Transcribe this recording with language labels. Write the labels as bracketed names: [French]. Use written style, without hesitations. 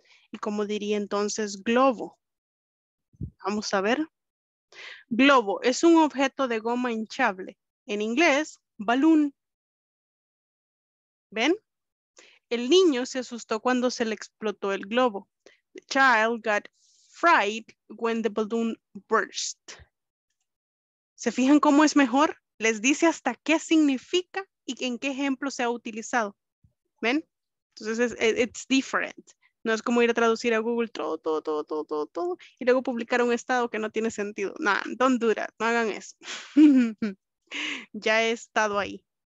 [Spanish] ¿Y cómo diría entonces globo? Vamos a ver. Globo es un objeto de goma hinchable. En inglés, balloon. ¿Ven? El niño se asustó cuando se le explotó el globo. [English] The child got fright when the balloon burst. [Spanish] ¿Se fijan cómo es mejor? Les dice hasta qué significa y en qué ejemplo se ha utilizado. ¿Ven? Entonces, [English] it's different. [Spanish] No es como ir a traducir a Google todo, y luego publicar un estado que no tiene sentido. [English] Nah, don't do that. [Spanish] No hagan eso. Ya he estado ahí.